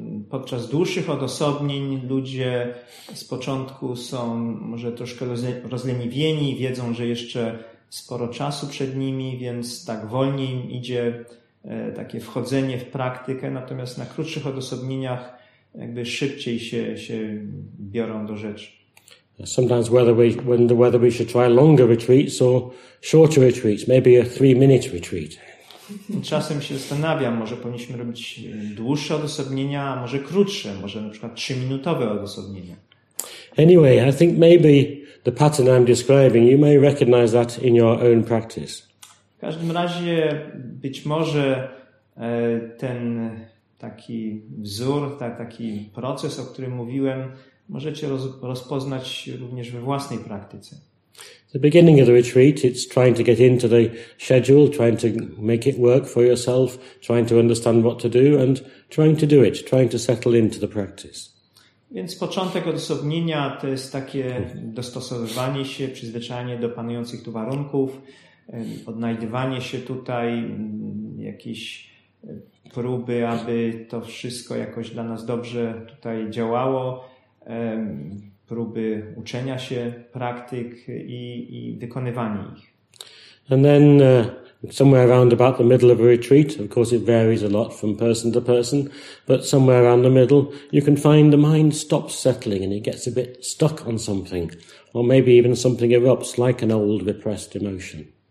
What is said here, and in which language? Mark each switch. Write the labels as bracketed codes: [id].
[pl] Podczas dłuższych odosobnień ludzie z początku są może troszkę rozleniwieni, wiedzą, że jeszcze sporo czasu przed nimi, więc tak wolniej im idzie takie wchodzenie w praktykę, natomiast na krótszych odosobnieniach jakby szybciej się biorą do rzeczy. [en] Sometimes whether we should try longer retreats or shorter retreats, maybe a 3-minute retreat. [pl] Czasem się zastanawiam, może powinniśmy robić dłuższe odosobnienia, a może krótsze, może na przykład 3-minutowe odosobnienia. [en] Anyway, I think maybe the pattern I'm describing, you may recognize that in your own practice. [pl] W każdym razie być może ten taki wzór, taki proces, o którym mówiłem, możecie rozpoznać również we własnej praktyce. [en] The beginning of the retreat, it's trying to get into the schedule, trying to make it work for yourself, trying to understand what to do and trying to do it, trying to settle into the practice. [pl] Więc początek odosobnienia to jest takie dostosowywanie się, przyzwyczajanie do panujących tu warunków, odnajdywanie się tutaj, jakieś próby, aby to wszystko jakoś dla nas dobrze tutaj działało, próby uczenia się praktyk i wykonywanie ich. [en] And then somewhere around about the middle of a retreat, of course it varies a lot from person to person, but somewhere around the middle you can find the mind stops settling and it gets a bit stuck on something, or maybe even something erupts like an old repressed emotion.